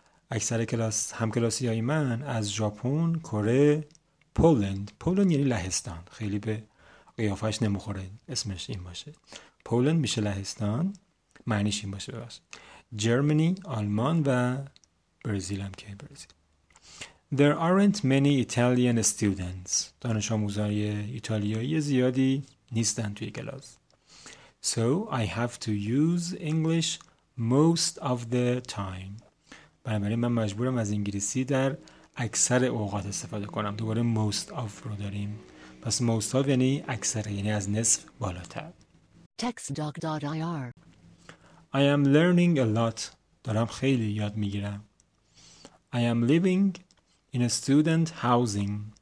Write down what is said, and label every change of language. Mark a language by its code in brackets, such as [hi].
[fa] اکثر کلاس هم کلاسی های من از ژاپن، کره، پولند یعنی لهستان، خیلی به قیافهش نمیخوره اسمش این باشه. پولند میشه لهستان، معنیش این باشه براش. جرمنی، آلمان و برزیل هم که برزیل. [en] There aren't many Italian students. [fa] دانش آموزای ایتالیایی زیادی نیستن توی کلاس. [en] So I have to use English most of the time. [fa] بنابراین من مجبورم از انگلیسی در اکثر اوقات استفاده کنم. دوباره most of رو داریم. پس most of یعنی اکثر، یعنی از نصف بالاتر. [en] textdoc.ir I am learning a lot. [fa] دارم خیلی یاد میگیرم. [en] I am living in a student housing.